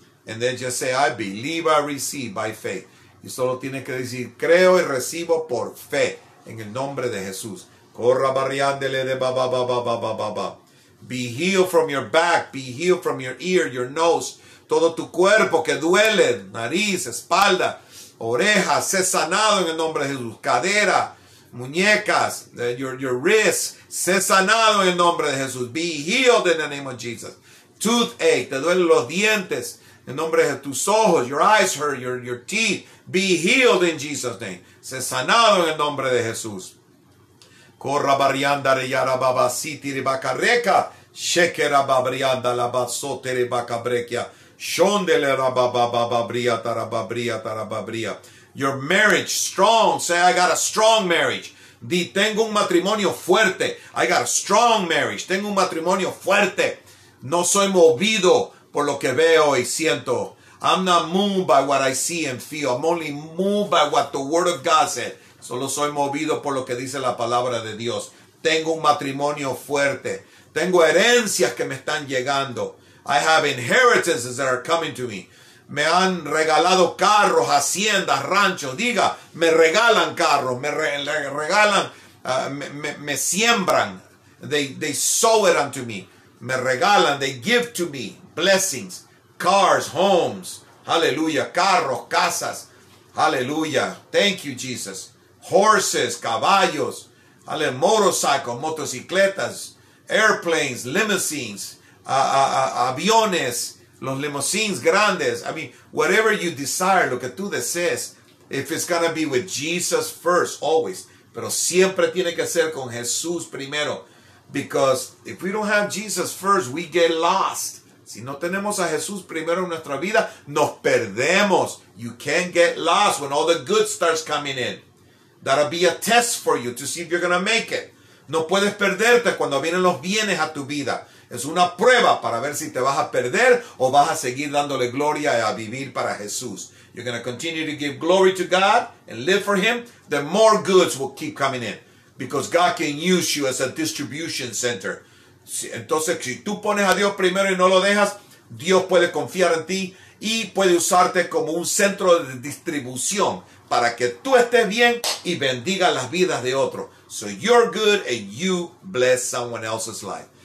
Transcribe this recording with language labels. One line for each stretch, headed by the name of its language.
English: And then just say, I believe, I receive by faith.
Spanish: Y solo tienes que decir, creo y recibo por fe en el nombre de Jesús. Corra barriándele de ba, ba, ba, ba, ba, ba, ba, ba.
English: Be healed from your back. Be healed from your ear, your nose.
Spanish: Todo tu cuerpo que duele, nariz, espalda, orejas. Sé sanado en el nombre de Jesús. Cadera, muñecas,
English: your wrist.
Spanish: Sé sanado en el nombre de Jesús.
English: Be healed in the name of Jesus.
Spanish: Toothache, te duelen los dientes. En el nombre de tus ojos,
English: your eyes hurt, your teeth. Be healed in Jesus' name.
Spanish: Sé sanado en el nombre de Jesús. Corra barrianda re yarababa siti re bacareca. Shekera babrianda la basote re bacabrequia. Shondele rabababababria tarababria tarababria.
English: Your marriage strong. Say, I got a strong marriage.
Spanish: Di, tengo un matrimonio fuerte.
English: I got a strong marriage.
Spanish: Tengo un matrimonio fuerte. No soy movido por lo que veo y siento.
English: I'm not moved by what I see and feel. I'm only moved by what the Word of God said.
Spanish: Solo soy movido por lo que dice la palabra de Dios. Tengo un matrimonio fuerte. Tengo herencias que me están llegando.
English: I have inheritances that are coming to me.
Spanish: Me han regalado carros, haciendas, ranchos. Diga, me regalan carros. Me siembran.
English: They sow it unto me.
Spanish: Me regalan.
English: They give to me blessings. Cars, homes, hallelujah,
Spanish: carros, casas,
English: hallelujah, thank you, Jesus. Horses,
Spanish: caballos,
English: hallelujah, motorcycles,
Spanish: motocicletas,
English: airplanes, limousines,
Spanish: aviones, los limousines grandes.
English: I mean, whatever you desire,
Spanish: lo que tú desees,
English: if it's going to be with Jesus first, always.
Spanish: Pero siempre tiene que ser con Jesús primero.
English: Because if we don't have Jesus first, we get lost.
Spanish: Si no tenemos a Jesús primero en nuestra vida, nos perdemos.
English: You can't get lost when all the good starts coming in. That'll be a test for you to see if you're going to make it.
Spanish: No puedes perderte cuando vienen los bienes a tu vida. Es una prueba para ver si te vas a perder o vas a seguir dándole gloria a vivir para Jesús.
English: You're going to continue to give glory to God and live for Him. Then more goods will keep coming in. Because God can use you as a distribution center.
Spanish: Entonces, si tú pones a Dios primero y no lo dejas, Dios puede confiar en ti y puede usarte como un centro de distribución para que tú estés bien y bendiga las vidas de otros.
English: So you're good and you bless someone else's life.